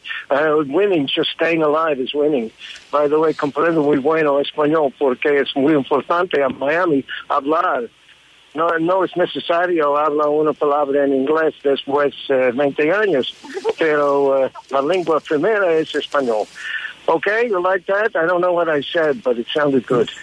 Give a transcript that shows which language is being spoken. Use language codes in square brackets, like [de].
[en] Winning, just staying alive is winning. By the way, [es] comprendo muy bueno español porque es muy importante a Miami hablar. No es necesario hablar una palabra en inglés después de 20 años, pero la lengua primera es español. [en] Okay, you like that? I don't know what I said, but it sounded good.